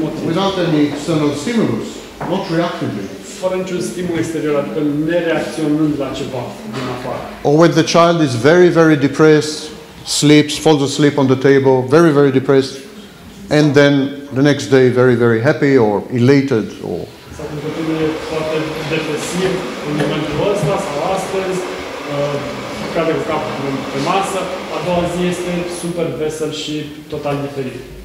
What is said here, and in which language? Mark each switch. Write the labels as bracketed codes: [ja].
[en] without any external stimulus, not reactively. [ro] Fără niciun stimul exterior, adică nereacționând la ceva din afară. [en] Or when the child is very, very depressed, sleeps, falls asleep on the table, very, very depressed, and then the next day very, very happy or elated or... [ro] Sau când copilul e foarte depresiv în momentul ăsta sau astăzi, cade cu capul pe masă, a doua zi este super vesel și total diferit.